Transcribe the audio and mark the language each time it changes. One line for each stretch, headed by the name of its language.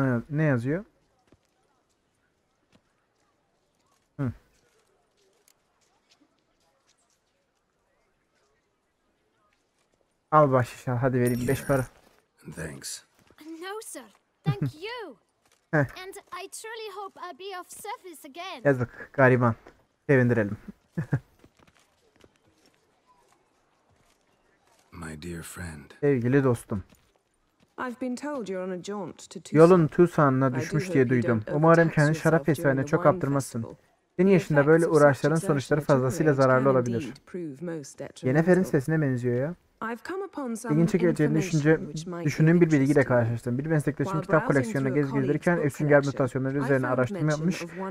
Turkish: Ne yazıyor? Al bahşiş al, hadi vereyim 5 para.
English: Thanks. No sir. Thank you. And I truly hope I'll be of service again.
Turkish: Yazık gariban. Sevindirelim.
English: My dear friend.
Turkish: Sevgili dostum.
English: I've been told you're on a jaunt to Tucson.
Turkish: Yolun Tucson'la düşmüş diye duydum. Umarım kendi şarap festivaline çok kaptırmazsın. Senin yaşında böyle uğraşların sonuçları fazlasıyla zararlı olabilir. Yennefer'in sesine benziyor ya. İlginç geleceğini düşündüğüm bir bilgiyle karşılaştım. Bir meslektaşım kitap koleksiyonuna gez gezdirirken esünger mutasyonları üzerine araştırma yapmış.